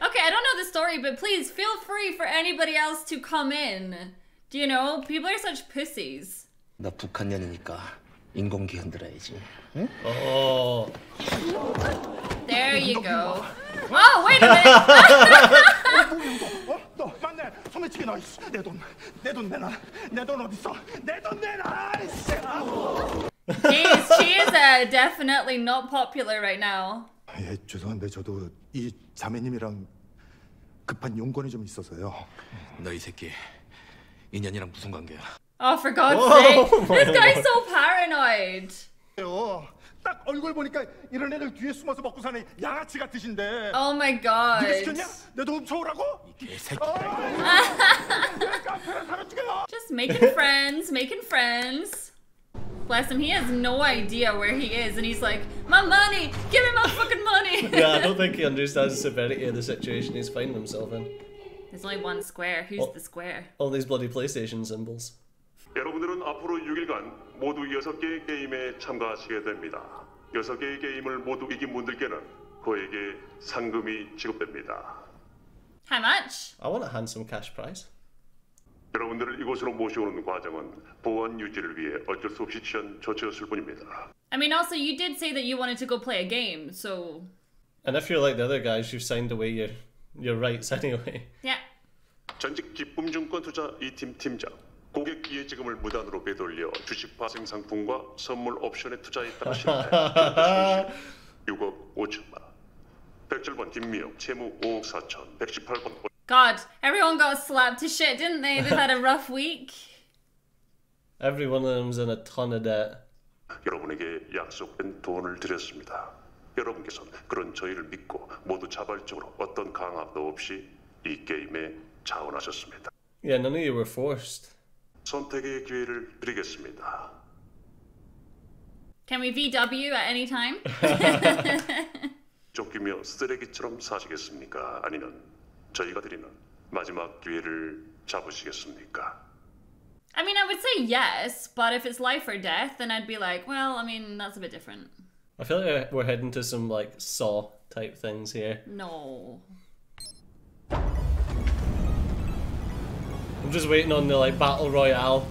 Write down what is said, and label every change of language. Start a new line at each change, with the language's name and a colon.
English: Okay, I don't know the story, but please feel free for anybody else to come in. Do you know? People are such pussies.
Korean: 나 북한년이니까 인공기 흔들어야지.
English: Oh. There you go. Oh, wait a minute!
Korean: 너 맞네. 손에 치게 너 이씨. 내 돈. 내 돈 내놔. 내 돈 어디 있어? 내 돈 내놔. 이씨.
English: Jeez, she is definitely not popular right now.
Korean: 예, 죄송한데 저도 이 자매님이랑 급한 용건이 좀 있어서요. 너 이 새끼. 인연이랑 무슨 관계야?
English: Oh, for God's sake. This guy's so paranoid.
Korean: 딱 얼굴 보니까 이런 애들 뒤에 숨어서 먹고 사는 양아치 같으신데.
English: Oh my god.
Korean: 네가 시켰냐? 내 도움 처우라고? 이 개새끼. 어,
English: just making friends, making friends. Bless him, he has no idea where he is and he's like, my money, give me my fucking money. Yeah, I don't think he understands the severity of the situation he's finding himself in. There's only one square, who's the square? All these bloody PlayStation symbols.
Korean: 여러분들은 앞으로 6일간 모두 6개의 게임에 참가하시게 됩니다. 6개의 게임을 모두 이긴 분들께는 그에게 상금이 지급됩니다.
English: How much? I want a handsome cash prize.
Korean: 여러분들을 이곳으로 모시오는 과정은 보안 유지를 위해 어쩔 수 없이 취한 조치였을 뿐입니다.
English: I mean, also, you did say that you wanted to go play a game, so... And if you're like the other guys, you've signed away your rights anyway. Yeah.
Korean: 전직 기쁨증권 투자 2팀 팀장. 고객 기회지금을 무단으로 빼돌려 주식 파생 상품과 선물 옵션에 투자했다고 실패. 6억 5천만. 107번 김미영 채무 5억 4천. 118번.
English: God, everyone got slapped to shit, didn't they? They've had a rough week. Every one of them's in a ton of debt.
Korean: 여러분에게 약속된 돈을 드렸습니다. 여러분께서 그런 저희를 믿고 모두 자발적으로 어떤 강압도 없이 이 게임에 자원하셨습니다.
English: Yeah, none of you were forced.
Korean: 선택의 기회를 드리겠습니다.
English: Can we VW at any time?
Korean: 쫓기며 쓰레기처럼 사시겠습니까? 아니면 저희가 드리는 마지막 기회를 잡으시겠습니까?
English: I mean, I would say yes, but if it's life or death, then I'd be like, well, I mean, that's a bit different. I feel like we're heading to some, like, Saw type things here. No. I'm just waiting on the like battle royale.